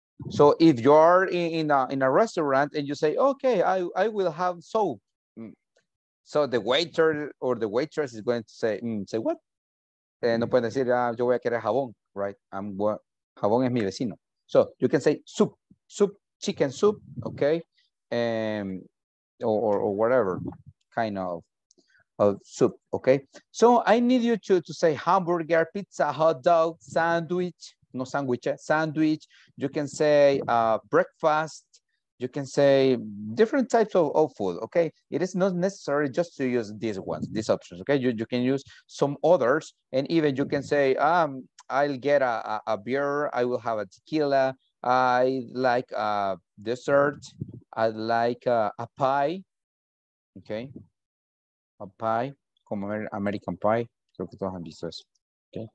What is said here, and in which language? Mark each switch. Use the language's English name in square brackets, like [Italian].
[English] So if you are in a restaurant and you say, okay, I will have soap. So the waiter or the waitress is going to say, say what? [Spanish] No pueden decir, yo voy a querer jabón, right? Jabón es mi vecino. [English] So you can say soup, chicken soup, okay? Or whatever kind of soup, okay? So I need you to say hamburger, pizza, hot dog, sandwich, no sandwich, sandwich. You can say breakfast. You can say different types of food, okay? It is not necessary just to use these ones, these options, okay? You can use some others, and even you can say, I'll get a beer, I will have a tequila, I like a dessert, I like a pie, okay? [Spanish] A pie, como American pie, creo que todos han visto eso, okay?